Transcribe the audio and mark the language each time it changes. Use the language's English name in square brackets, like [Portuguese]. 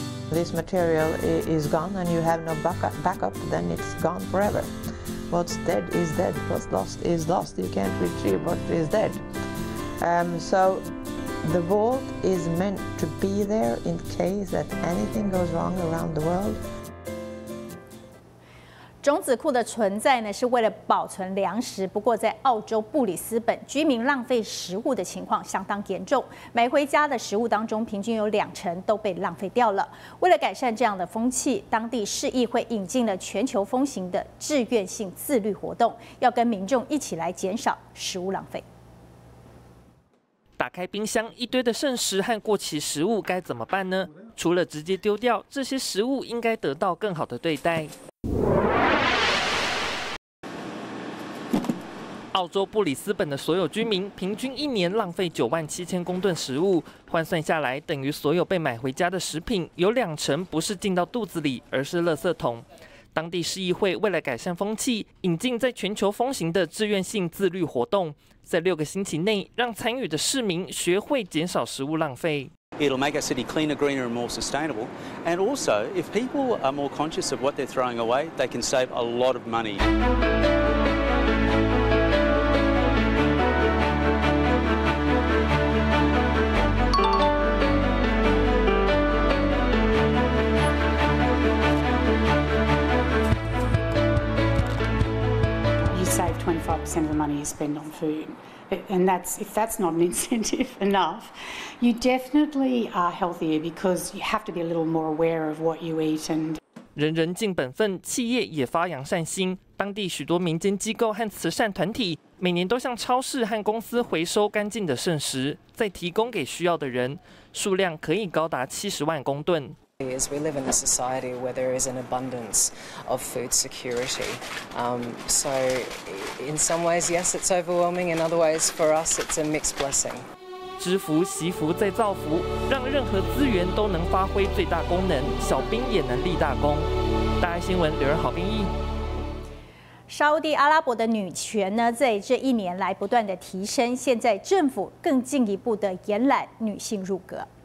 [English] This material is gone and you have no backup, then it's gone forever. What's dead is dead, what's lost is lost. You can't retrieve what is dead. So the vault is meant to be there in case that anything goes wrong around the world. [Chinese] 种子库的存在呢，是为了保存粮食。不过，在澳洲布里斯本，居民浪费食物的情况相当严重。买回家的食物当中，平均有20%都被浪费掉了。为了改善这样的风气，当地市议会引进了全球风行的志愿性自律活动，要跟民众一起来减少食物浪费。打开冰箱，一堆的剩食和过期食物该怎么办呢？除了直接丢掉，这些食物应该得到更好的对待。澳洲布里斯本的所有居民平均一年浪费97000公吨食物，换算下来，等于所有被买回家的食品有20%不是进到肚子里，而是垃圾桶。当地市议会为了改善风气，引进在全球风行的志愿性自律活动，在6个星期内让参与的市民学会减少食物浪费。 [English] It'll make our city cleaner, greener, and more sustainable. And also, if people are more conscious of what they're throwing away, they can save a lot of money. 25% of the money you spend on food, and if that's not an incentive enough, you definitely are healthier because you have to be a little more aware of what you eat. And [Chinese] 人人尽本分，企业也发扬善心。当地许多民间机构和慈善团体每年都向超市和公司回收干净的剩食，再提供给需要的人，数量可以高达70万公吨。 [English] As we live in a society where there is an abundance of food security, so in some ways, yes, it's overwhelming. In other ways, for us, it's a mixed blessing. [Chinese] 知福、惜福再造福，让任何资源都能发挥最大功能，小兵也能立大功。大爱新闻，刘仁豪编译。沙地阿拉伯的女权呢，在这一年来不断的提升，现在政府更进一步的延揽女性入阁。